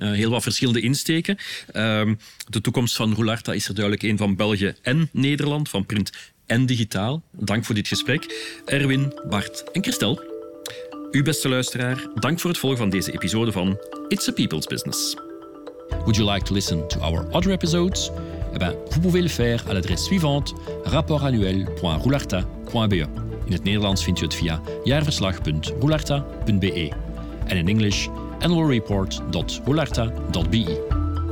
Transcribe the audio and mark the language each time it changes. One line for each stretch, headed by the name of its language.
Dutch: Heel wat verschillende insteken. De toekomst van Roularta is er duidelijk een van België en Nederland, van print en digitaal. Dank voor dit gesprek, Erwin, Bart en Christel. U beste luisteraar, dank voor het volgen van deze episode van It's a People's Business.
English: Would you like to listen to our other episodes?
French: Eh bien, vous pouvez le faire à l'adresse suivante rapportannuel.roularta.be.
Dutch: In het Nederlands vind je het via jaarverslag.roularta.be en in Engels annualreport.roularta.be.